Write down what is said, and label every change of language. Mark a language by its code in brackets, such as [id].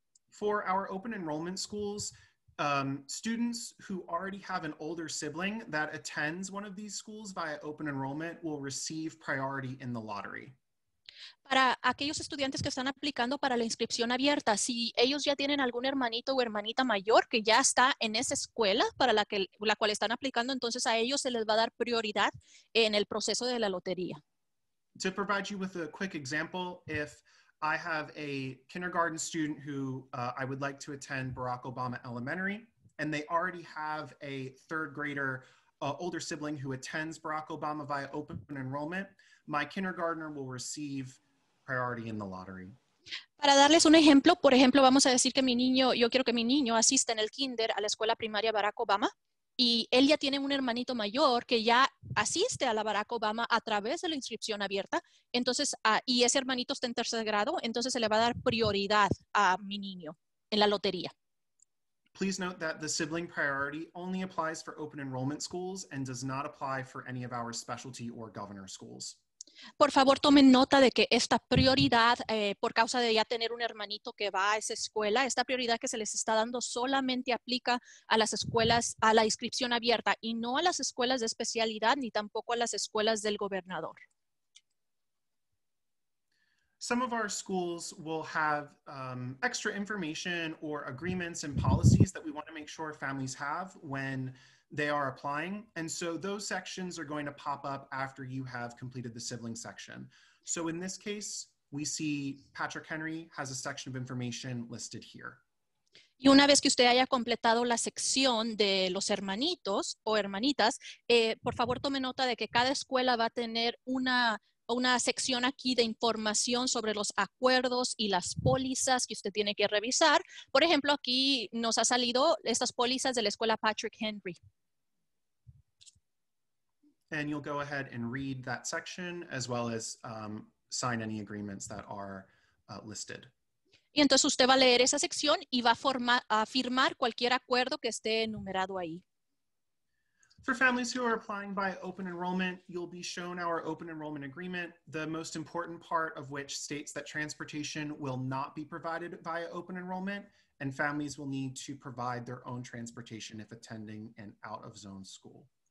[en] For our open enrollment schools, students who already have an older sibling that attends one of these schools via open enrollment will receive priority in the lottery. [es] Para aquellos estudiantes que están aplicando para la inscripción abierta, si ellos ya tienen algún hermanito o hermanita mayor que ya está en esa escuela para la, la cual están aplicando, entonces a ellos se les va a dar prioridad en el proceso de la lotería. [en] To provide you with a quick example, if I have a kindergarten student who I would like to attend Barack Obama Elementary, and they already have a third grader, older sibling who attends Barack Obama via open enrollment, my kindergartner will receive priority in the lottery. [es] Para darles un ejemplo, por ejemplo, vamos a decir que mi niño, yo quiero que mi niño asista en el kinder a la escuela primaria Barack Obama, y él ya tiene un hermanito mayor que ya asiste a la Barack Obama a través de la inscripción abierta, entonces, y ese hermanito está en tercer grado, entonces se le va a dar prioridad a mi niño en la lotería. [en] Please note that the sibling priority only applies for open enrollment schools and does not apply for any of our specialty or governor schools. [es] Por favor, tomen nota de que esta prioridad, por causa de ya tener un hermanito que va a esa escuela, esta prioridad que se les está dando solamente aplica a las escuelas, a la inscripción abierta y no a las escuelas de especialidad ni tampoco a las escuelas del gobernador. [en] Some of our schools will have extra information or agreements and policies that we want to make sure families have when they are applying. And so those sections are going to pop up after you have completed the sibling section. So in this case, we see Patrick Henry has a section of information listed here. [es] Y una vez que usted haya completado la sección de los hermanitos o hermanitas, por favor tome nota de que cada escuela va a tener una sección aquí de información sobre los acuerdos y las pólizas que usted tiene que revisar. Por ejemplo, aquí nos ha salido estas pólizas de la escuela Patrick Henry. [en] And you'll go ahead and read that section as well as sign any agreements that are listed. [es] Y entonces usted va a leer esa sección y va a firmar cualquier acuerdo que esté enumerado ahí. [en] For families who are applying by open enrollment, you'll be shown our open enrollment agreement, the most important part of which states that transportation will not be provided via open enrollment, and families will need to provide their own transportation if attending an out-of-zone school.